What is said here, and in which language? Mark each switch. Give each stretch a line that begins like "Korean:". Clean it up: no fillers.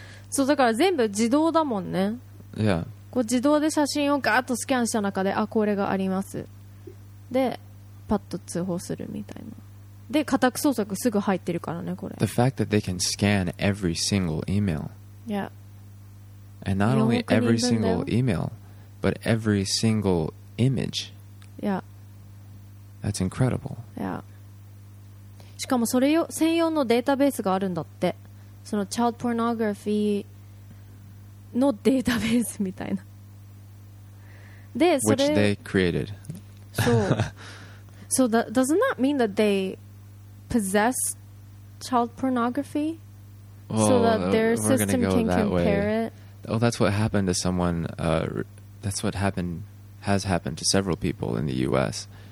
Japanese: そう、だから全部自動だもんね。
English: Yeah.
Japanese: こう自動で写真をガーッとスキャンした中で、あ、これがあります、でパッと通報するみたいな。で家宅捜索すぐ入ってるからね、これ。
English: The fact that they can scan every single email. Yeah. And not only every single email, but every single image. Yeah. That's incredible. Yeah.
Japanese: しかもそれよ専用のデータベースがあるんだって、そのチャイルドポルノグラフィーのデータベースみたいな。で、それ
English: which they created. So that, doesn't that mean that they possess child pornography? Well, so that their system can compare it? Well, that's what happened to someone, that's what happened, has happened to several people in the US.